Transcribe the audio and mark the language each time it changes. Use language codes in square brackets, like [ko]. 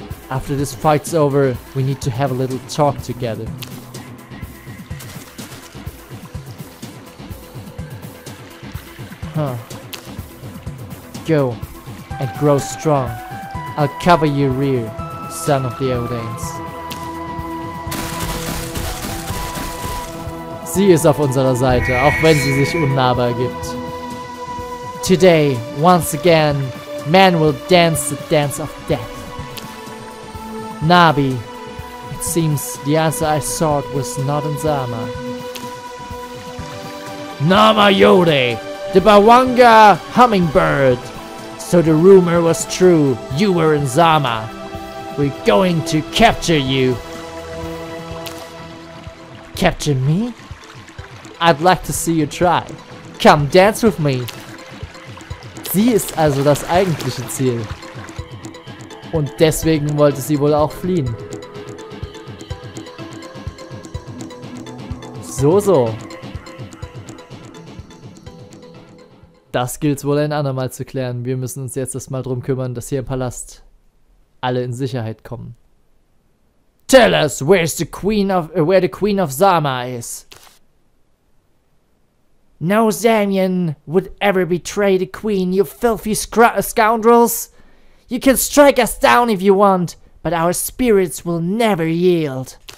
[en] After this fight's over, we need to have a little talk together. Go and grow strong. I'll cover your rear, son of the Odans. [de] Sie ist auf unserer Seite, auch wenn sie sich unnahbar gibt. [en] Today, once again, man will dance the dance of death. Nabi, it seems the answer I sought was not in Zama. Nama Yode, the Bawanga hummingbird. So the rumor was true, you were in Zama. We're going to capture you. Capture me? I'd like to see you try. Come dance with me. [de] Sie ist also das eigentliche Ziel. Und deswegen wollte sie wohl auch fliehen. So, so. Das gilt wohl ein andermal zu klären. Wir müssen uns jetzt erstmal drum kümmern, dass hier im Palast alle in Sicherheit kommen. [en] Tell us, where's the Queen of, where the Queen of Zama is. No Zamian would ever betray the queen, you filthy scoundrels! You can strike us down if you want, but our spirits will never yield.